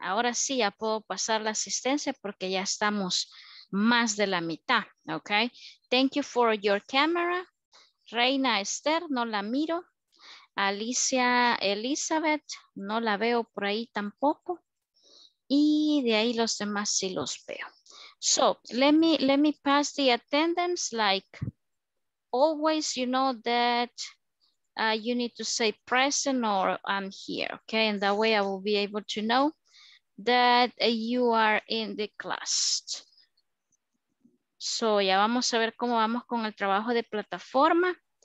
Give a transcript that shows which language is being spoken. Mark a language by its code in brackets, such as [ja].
[es] Ahora sí ya puedo pasar la asistencia porque ya estamos más de la mitad, okay? [en] Thank you for your camera. [es] Reina Esther, no la miro. Alicia Elizabeth, no la veo por ahí tampoco. Y de ahí los demás sí los veo. [en] So, let me pass the attendance. Like, always you know that you need to say present or I'm here, okay? And that way I will be able to know that you are in the class. [es] So, ya vamos a ver cómo vamos con el trabajo de plataforma.